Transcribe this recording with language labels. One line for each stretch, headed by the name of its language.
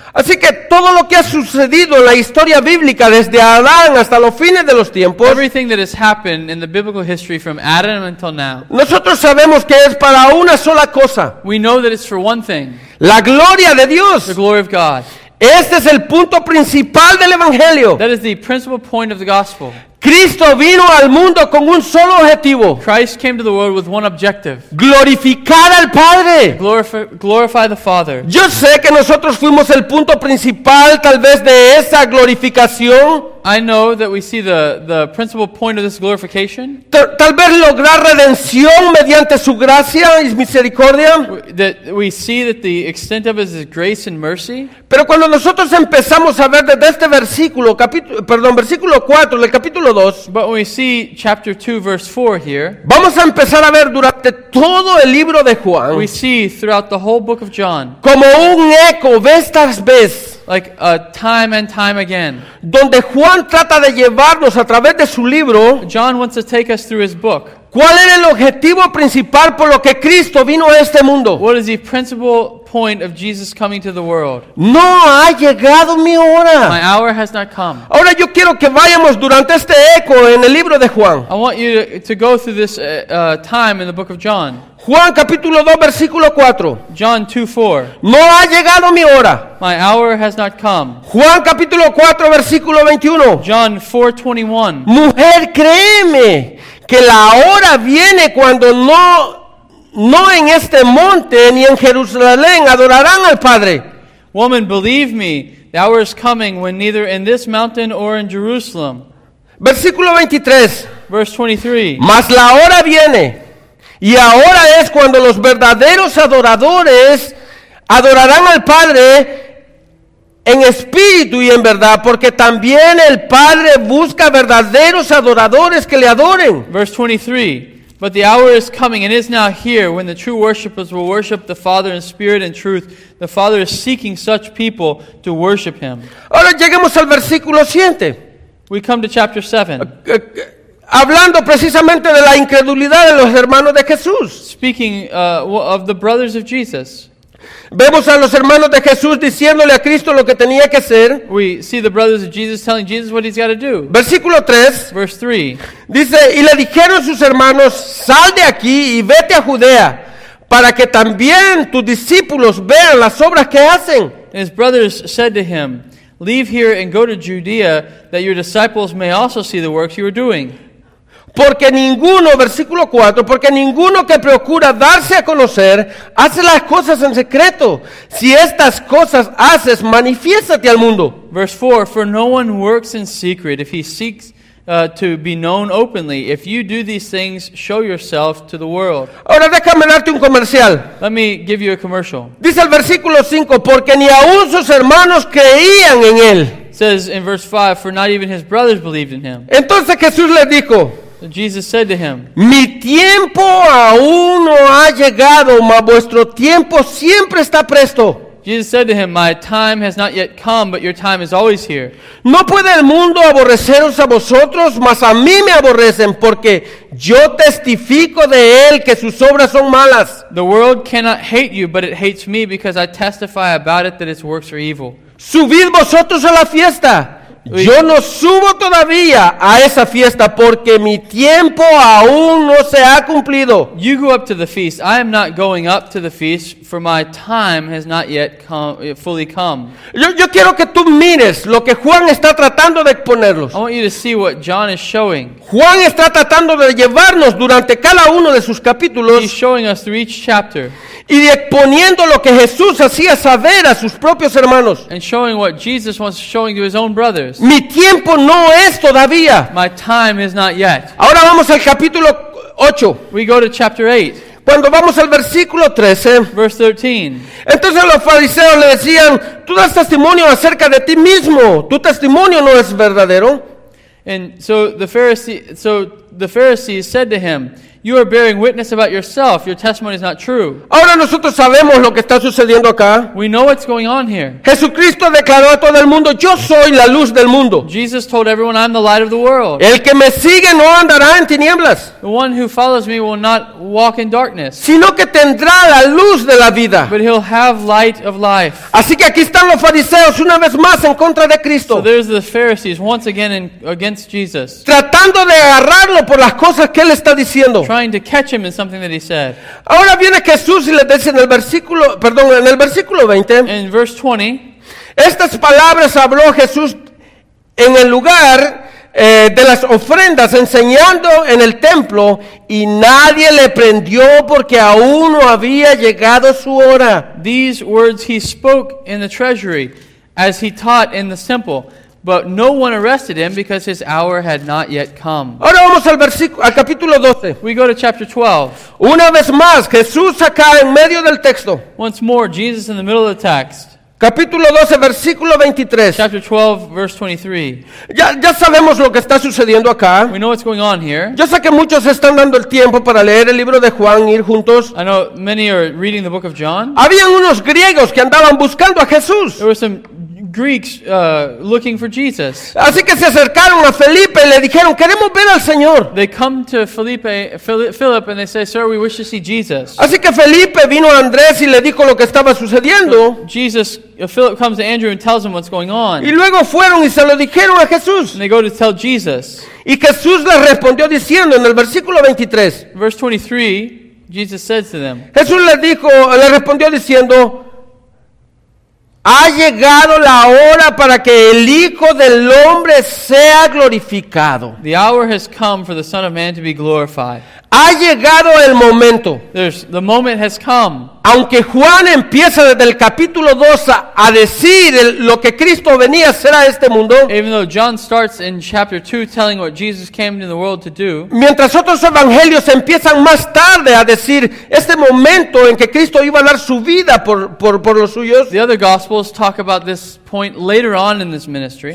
Spanish: Así que todo lo que ha sucedido en la historia bíblica desde Adán hasta los fines de los tiempos.
English: Everything that has happened in the biblical history from Adam until now.
Spanish: Nosotros sabemos que es para una sola cosa.
English: We know that it's for one thing.
Spanish: La gloria de Dios.
English: The glory of God.
Spanish: Este es el punto principal del Evangelio.
English: That is the principal point of the gospel.
Spanish: Cristo vino al mundo con un solo objetivo.
English: Christ came to the world with one objective.
Spanish: Glorificar al Padre.
English: Glorify the Father.
Spanish: Yo sé que nosotros fuimos el punto principal tal vez de esa glorificación.
English: I know that we see the principal point of this glorification.
Spanish: Tal vez lograr redención mediante su gracia y misericordia.
English: That we see that the extent of his grace and mercy.
Spanish: Pero cuando nosotros empezamos a ver desde este versículo 4 del capítulo 2.
English: But when we see chapter 2 verse 4 here.
Spanish: Vamos a empezar a ver durante todo el libro de Juan.
English: We see throughout the whole book of John.
Spanish: Como un eco vez tras vez.
English: Like time and time again.
Spanish: Donde Juan trata de llevarnos a través de su libro.
English: John wants to take us through his book.
Spanish: ¿Cuál era el objetivo principal por lo que Cristo vino a este mundo?
English: What is the principal point of Jesus coming to the world?
Spanish: No ha llegado mi hora.
English: My hour has not come.
Spanish: Ahora yo quiero que vayamos durante este eco en el libro de Juan.
English: I want you to go through this time in the book of John.
Spanish: Juan capítulo 2 versículo 4.
English: John 2:4.
Spanish: No ha llegado mi hora.
English: My hour has not come.
Spanish: Juan capítulo 4 versículo 21.
English: John 4:21.
Spanish: Mujer, créeme que la hora viene cuando no en este monte ni en Jerusalén adorarán al Padre.
English: Woman, believe me, the hour is coming when neither in this mountain or in Jerusalem.
Spanish: Versículo 23.
English: Verse 23.
Spanish: Mas la hora viene, y ahora es cuando los verdaderos adoradores adorarán al Padre en espíritu y en verdad, porque también el Padre busca verdaderos adoradores que le adoren.
English: Verse 23. But the hour is coming and is now here when the true worshipers will worship the Father in spirit and truth. The Father is seeking such people to worship Him.
Spanish: Ahora lleguemos al versículo 7.
English: We come to chapter 7.
Spanish: Hablando precisamente de la incredulidad de los hermanos de Jesús.
English: Speaking of the brothers of Jesus.
Spanish: Vemos a los hermanos de Jesús diciéndole a Cristo lo que tenía que hacer.
English: We see the brothers of Jesus telling Jesus what he's got to do.
Spanish: Versículo 3.
English: Verse 3.
Spanish: Dice, y le dijeron sus hermanos, sal de aquí y vete a Judea, para que también tus discípulos vean las obras que hacen.
English: And his brothers said to him, leave here and go to Judea, that your disciples may also see the works you are doing.
Spanish: Porque ninguno, versículo 4, porque ninguno que procura darse a conocer hace las cosas en secreto. Si estas cosas haces, manifiéstate al mundo.
English: Verse 4, for no one works in secret if he seeks to be known openly. If you do these things, show yourself to the world.
Spanish: Ahora déjame darte un comercial.
English: Let me give you a commercial.
Spanish: Dice el versículo 5, porque ni aun sus hermanos creían en él.
English: Says in verse 5, for not even his brothers believed in him.
Spanish: Entonces Jesús le dijo,
English: Jesus said to him,
Spanish: mi tiempo aún no ha llegado, mas vuestro tiempo siempre está presto.
English: Jesus said to him, my time has not yet come, but your time is always here.
Spanish: No puede el mundo aborreceros a vosotros, mas a mí me aborrecen, porque yo testifico de él que sus obras son malas.
English: The world cannot hate you, but it hates me, because I testify about it that its works are evil.
Spanish: Subid vosotros a la fiesta. Yo no subo todavía a esa fiesta porque mi tiempo aún no se ha cumplido.
English: You go up to the feast. I am not going up to the feast, for my time has not yet fully come.
Spanish: Yo quiero que tú mires lo que Juan está tratando de exponerlos.
English: I want you to see what John is showing.
Spanish: Juan está tratando de llevarnos durante cada uno de sus capítulos.
English: He's showing us through each chapter.
Spanish: Y exponiendo lo que Jesús hacía saber a sus propios hermanos.
English: And showing what Jesus was showing to his own brothers.
Spanish: Mi tiempo no es todavía.
English: My time is not yet.
Spanish: Ahora vamos al capítulo 8.
English: We go to chapter 8.
Spanish: Cuando vamos al versículo 13.
English: Verse 13.
Spanish: Entonces los fariseos le decían, tú das testimonio acerca de ti mismo. Tu testimonio no es verdadero.
English: And so the Pharisees said to him, you are bearing witness about yourself. Your testimony is not true.
Spanish: Ahora nosotros sabemos lo que está sucediendo acá.
English: We know what's going on here.
Spanish: Jesucristo declaró a todo el mundo, yo soy la luz del mundo.
English: Jesus told everyone, I'm the light of the world.
Spanish: El que me sigue no andará en tinieblas.
English: The one who follows me will not walk in darkness.
Spanish: Sino que tendrá la luz de la vida.
English: But he'll have light of life.
Spanish: Así que aquí están los fariseos una vez más en contra de Cristo.
English: So there's the Pharisees once again against Jesus.
Spanish: Tratando de agarrarlo por las cosas que él está diciendo.
English: Trying to catch him in something that he said.
Spanish: Ahora viene Jesús y le dice en el versículo, perdón, en el versículo 20.
English: In verse 20.
Spanish: Estas palabras habló Jesús en el lugar de las ofrendas, enseñando en el templo, y nadie le prendió porque aún no había llegado su hora.
English: These words he spoke in the treasury as he taught in the temple. But no one arrested him because his hour had not yet come.
Spanish: Ahora vamos al versículo, al capítulo 12.
English: We go to chapter 12.
Spanish: Una vez más, Jesús acá en medio del texto.
English: Once more, Jesus in the middle of the text.
Spanish: Capítulo 12, versículo 23.
English: Chapter 12, verse 23.
Spanish: Ya sabemos lo que está sucediendo acá.
English: We know what's going on here.
Spanish: Yo sé que muchos están dando el tiempo para leer el libro de Juan y ir juntos.
English: I know many are reading the book of John.
Spanish: Habían unos griegos que andaban buscando a Jesús.
English: There were some Greeks looking for Jesus.
Spanish: Así que se acercaron a Felipe y le dijeron, queremos ver al Señor.
English: They come to Philip and they say, sir, we wish to see Jesus.
Spanish: Así que Felipe vino a Andrés y le dijo lo que estaba sucediendo.
English: Philip comes to Andrew and tells him what's going on.
Spanish: Y luego fueron y se lo dijeron a Jesús.
English: And they go to tell Jesus.
Spanish: Y Jesús le respondió diciendo en el versículo 23.
English: Verse 23, Jesus said to them.
Spanish: Jesús le respondió diciendo, Ha llegado la hora para que el Hijo del Hombre sea glorificado.
English: The hour has come for the Son of Man to be glorified.
Spanish: Ha llegado el momento.
English: The moment has come.
Spanish: Aunque Juan empieza desde el capítulo 2 a decir lo que Cristo venía a hacer a este mundo.
English: Even though John starts in chapter 2 telling what Jesus came into the world to do.
Spanish: Mientras otros evangelios empiezan más tarde a decir este momento en que Cristo iba a dar su vida por los suyos.
English: The other gospels talk about this point later on in this ministry.